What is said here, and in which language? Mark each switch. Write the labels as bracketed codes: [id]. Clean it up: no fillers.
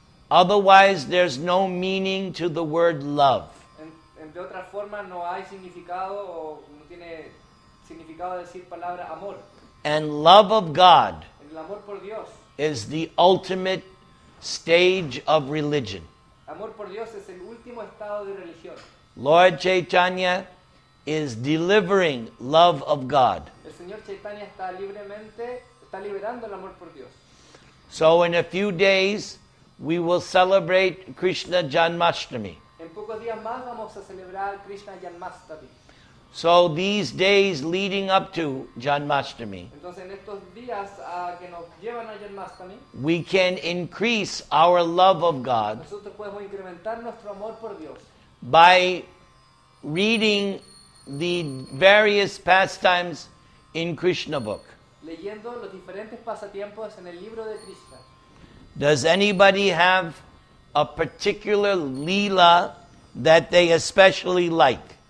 [en] Otherwise, there's no meaning to the word love. [es] De otra forma, no hay significado o no tiene significado decir palabra amor. [en] And love of God, [es] el amor por Dios, [en] is the ultimate stage of religion. [es] Amor por Dios es el último estado de religión. [en] Lord Chaitanya is delivering love of God. [es] El Señor Chaitanya está libremente, está liberando el amor por Dios. [en] So in a few days, we will celebrate Krishna Janmashtami. [es] En pocos días más vamos a celebrar Krishna Janmashtami. [en] So these days leading up to Janmashtami, [es] entonces en estos días que nos llevan a Janmashtami, [en] we can increase our love of God. [es] Nosotros podemos incrementar nuestro amor por Dios. [en] By reading the various pastimes in Krishna book. [es] Leyendo los diferentes pasatiempos en el libro de Krishna. [en] Does anybody have a particular leela that they especially like?